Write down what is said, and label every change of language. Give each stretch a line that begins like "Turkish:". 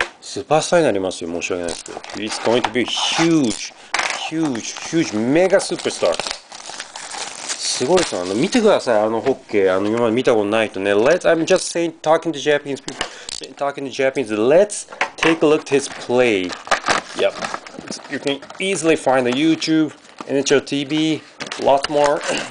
Japanese: スーパースターになりますよ、申し訳ないですけど。
English: It's going to be huge, huge, huge, mega superstar.
Japanese: すごいですよ。見てください、あのホッケー。今まで見たことない人ね。
English: I'm just saying, talking to Japanese people, let's take a look at his play. Yep. You can easily find the YouTube, NHL TV, lots more.